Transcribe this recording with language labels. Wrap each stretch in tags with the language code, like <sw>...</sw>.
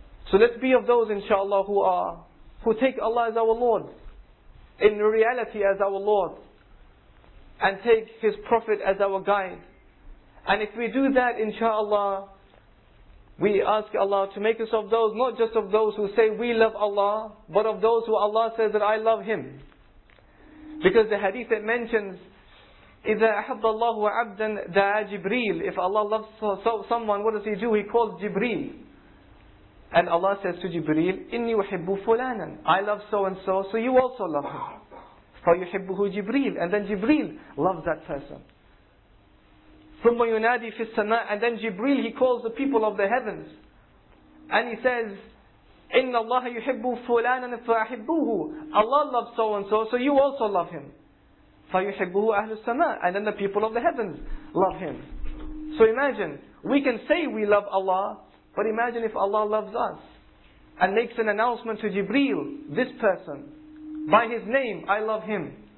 <en>So let's be of those inshaAllah who take Allah as our Lord, in reality as our Lord, and take His Prophet as our guide. And if we do that inshaAllah, we ask Allah to make us of those, not just of those who say we love Allah, but of those who Allah says that I love Him. Because the hadith that mentions,</en> <ar>إِذَا أَحَبَّ اللَّهُ عَبْدًا دَعَى جِبْرِيلِ.</ar> <en>If Allah loves someone, what does He do? He calls Jibreel. And Allah says to Jibreel,</en> <ar>إِنِّي أُحِبُّ فُلَانًا.</ar> <en>I love so and so, so you also love him.</en> <ar>فَيُحِبُّهُ جِبْرِيلِ.</ar> <en>And then Jibreel loves that person.</en> <ar>ثُمَّ يُنَادِي فِي السَّمَاءِ.</ar> <en>And then Jibreel, he calls the people of the heavens. And he says,</en> <ar>إِنَّ اللَّهَ يُحِبُّ فُلَانًا فَأَحِبُّهُ.</ar> <en>Allah loves so and so, so you also love him.</en> <ar>فَيُحِبُّهُ أَهْلُ السَّمَاءِ.</ar> <en>And then the people of the heavens love him. So imagine, we can say we love Allah, but imagine if Allah loves us and makes an announcement to Jibreel, this person, by his name, I love him.</en>